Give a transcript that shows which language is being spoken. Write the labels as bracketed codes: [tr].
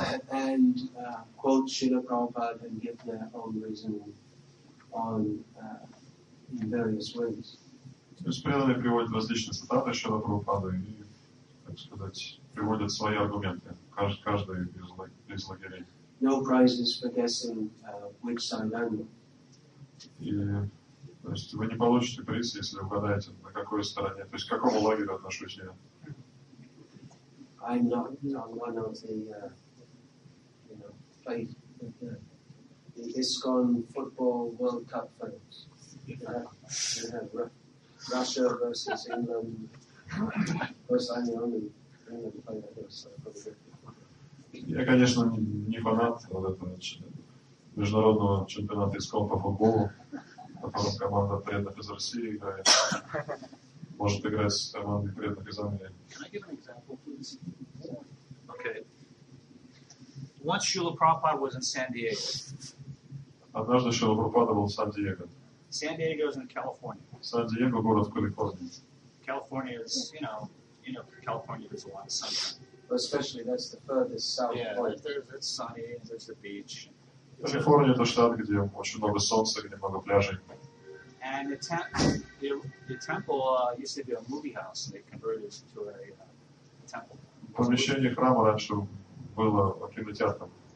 [en] And quote Srila Prabhupada and give their own reason on in various ways. [ru] Преданные приводят различные цитаты Шрила Прабхупады и, так сказать, приводят свои аргументы, каждый из лагерей. [en] No prizes for guessing which sign I'm on. [ru] И, то есть, вы не получите приз, если угадаете, на какой стороне, то есть, к какому лагерю отношусь я. [en] I'm not on one of the, faith, the ISKCON Football World Cup fans. We have Russia versus England. Of course, I'm the only England player here, so probably. [ru] Я, конечно, не фанат вот этого международного чемпионата ISKCON по футболу, в котором команда преданных из России играет. Может играть с командой преданных из Англии. [en] Can I give an example, please? Okay. Once Srila Prabhupada was in San Diego. [ru] Однажды Шрила Прабхупада был в Сан-Диего. [en] San Diego is in California. [ru] Сан-Диего — город в Калифорнии. [en] California is, California, there's a lot of sunshine. Especially that's the furthest south point. Yeah, it's sunny, there's the beach. [ru] Калифорния — это штат, где очень много солнца, где много пляжей. [en] And the temple used to be a movie house, and they converted it into a temple. [ru] Помещение храма раньше было кинотеатром.